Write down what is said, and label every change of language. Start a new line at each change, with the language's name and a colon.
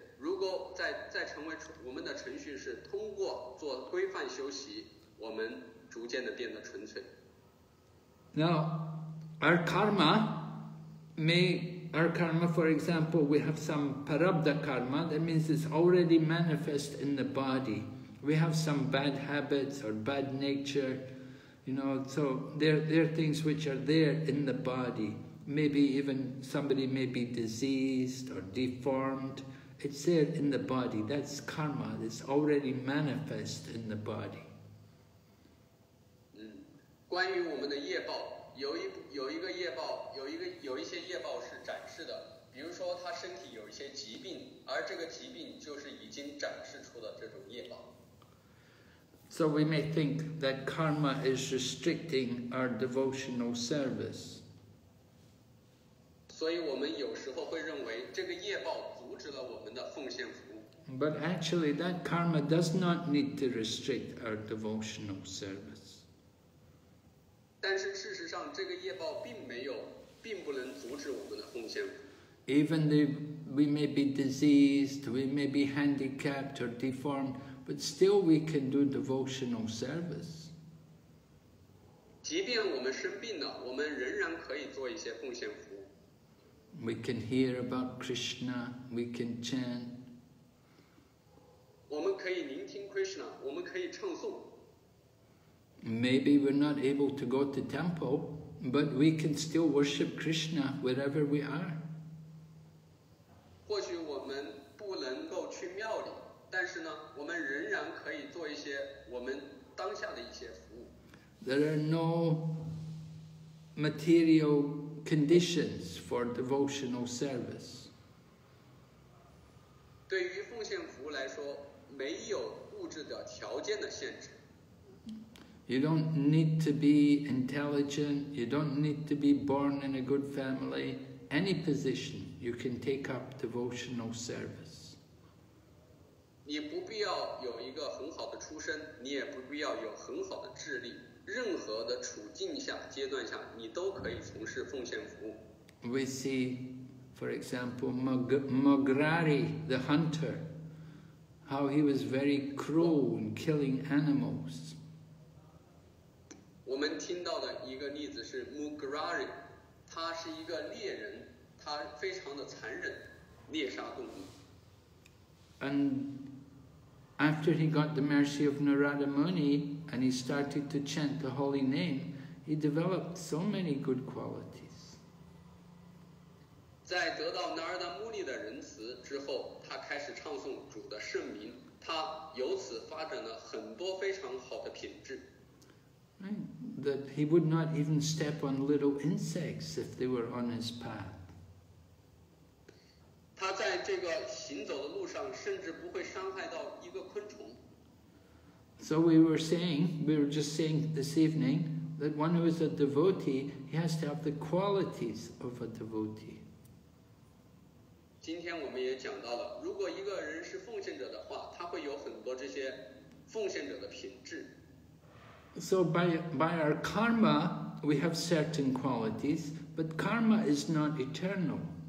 Chinese: 如果再成为我们的程序是通过做规范修习，我们逐渐的变得纯粹。
English: Now, our karma may, our karma, for example, we have some parabdha karma, that means it's already manifest in the body. We have some bad habits or bad nature, you know, so there are things which are there in the body. Maybe even somebody may be diseased or deformed. It's there in the body. That's karma. It's already manifest in the body.
Chinese: 关于我们的业报，有一个业报，有一些业报是展示的，比如说他身体有一些疾病，而这个疾病就是已经展示出的这种业报。
English: So we may think that karma is restricting our devotional service.
Chinese: 所以我们有时候会认为这个业报阻止了我们的奉献服务。
English: But actually, that karma does not need to restrict our devotional service.
Chinese: 但是事实上，这个业报并不能阻止我们的奉献。
English: Even though we may be diseased, we may be handicapped or deformed, but still we can do devotional service.
Chinese: 即便我们生病了，我们仍然可以做一些奉献服务。
English: We can hear about Krishna. We can chant.
Chinese: 我们可以聆听 Krishna. 我们可以唱诵。
English: Maybe we're not able to go to temple, but we can still worship Krishna wherever we are.
Chinese: 或许我们不能够去庙里，但是呢，我们仍然可以做一些我们当下的一些服务。
English: There are no material conditions for devotional service.
Chinese: 对于奉献服务来说，没有物质的条件的限制。
English: You don't need to be intelligent, you don't need to be born in a good family, any position, you can take up devotional service.
Chinese: 你不必要有一个很好的出身，你也不必要有很好的智力，任何的处境下、阶段下，你都可以从事奉献服务。
English: We see, for example, Mograri, the hunter, how he was very cruel in killing animals.
Chinese: 我们听到的一个例子是 Mograri， 他是一个猎人，他非常的残忍，猎杀动物。
English: And after he got the mercy of Narada Muni and he started to chant the holy name, he developed so many good qualities.
Chinese: 在得到 Narada Muni 的仁慈之后，他开始唱诵主的圣名，他由此发展了很多非常好的品质。
English: Right. That he would not even step on little insects if they were on his path.
Chinese: 他在这个行走的路上甚至不会伤害到一个昆虫。
English: So we were just saying this evening that one who is a devotee, he has to have the qualities of a devotee.
Chinese: 今天我们也讲到了，如果一个人是奉献者的话，他会有很多这些奉献者的品质。
English: So by our karma, we have certain qualities, but karma is not eternal.